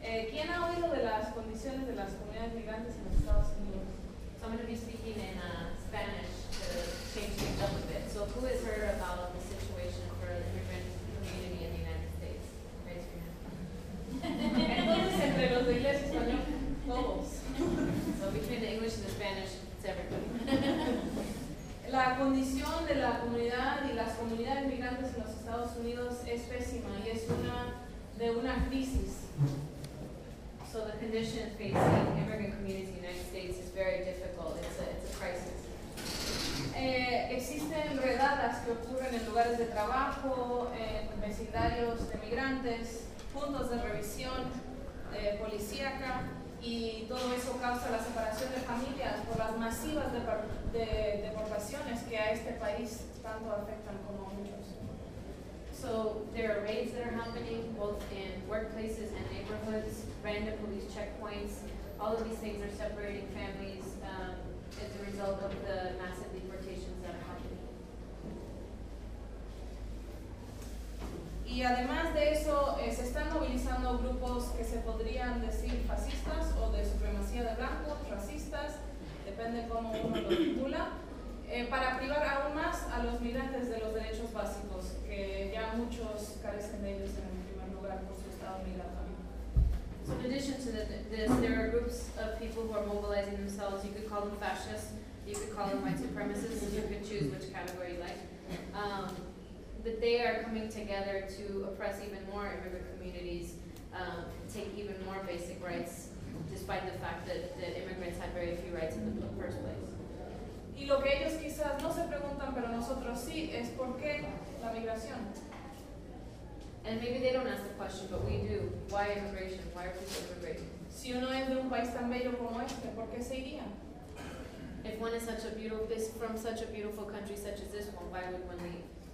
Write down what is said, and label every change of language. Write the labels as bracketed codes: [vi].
[es] ¿Quién ha oído de las condiciones de las comunidades migrantes en los Estados Unidos? [en] So I'm going to be speaking in Spanish to change things up a bit. So who has heard about the situation for the immigrant community in the United States? Raise your hand. [es] Entonces, entre los de inglés y español, todos. [en] So between the English and the Spanish, it's everybody. [es] La condición de la comunidad y las comunidades migrantes en los Estados Unidos es pésima y es una de una crisis. [en] So the condition facing the immigrant community in the United States is very difficult. It's a crisis. [es] Existen redadas que ocurren en lugares de trabajo, en vecindarios de migrantes, puntos de revisión policíaca, y todo eso causa la separación de familias por las masivas de deportaciones que a este país tanto afectan como muchos. [en] So there are raids that are happening both in workplaces and neighborhoods, random police checkpoints. All of these things are separating families as a result of the massive deportations that are happening. [es] Y además de eso, se están movilizando grupos que se podrían decir fascistas o de supremacía de blancos, racistas, depende cómo uno lo titula. Para privar aún más a los migrantes de los derechos básicos, que ya muchos carecen de ellos en primer lugar por su estado migratorio. [en] So in addition to this, there are groups of people who are mobilizing themselves. You could call them fascists, you could call them white supremacists, you could choose which category you like. But they are coming together to oppress even more immigrant communities, take even more basic rights, despite the fact that immigrants had very few rights in the first place. [es] Y lo que ellos quizás no se preguntan, pero nosotros sí, es por qué la migración. [en] And maybe they don't ask the question, but we do. Why immigration? Why are people immigrating? [es] Si uno es de un país tan bello como este, ¿por qué se iría? [en] If one is such a beautiful, from such a beautiful country such as this one, why would one leave?